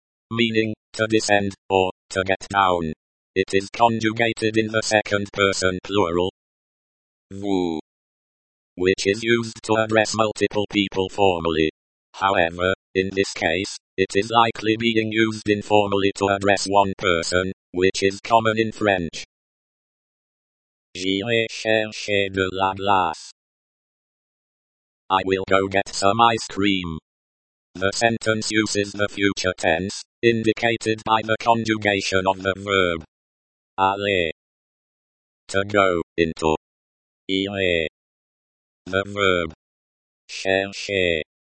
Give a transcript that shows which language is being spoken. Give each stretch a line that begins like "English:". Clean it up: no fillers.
English: Meaning, to descend, or, to get down. It is conjugated in the second person plural. Vous. Which is used to address multiple people formally. However, in this case, it is likely being used informally to address one person, which is common in French.
French: J'irai chercher de la glace.
English: I will go get some ice cream. The sentence uses the future tense, indicated by the conjugation of the verb aller. To go, into. Irai. The verb chercher.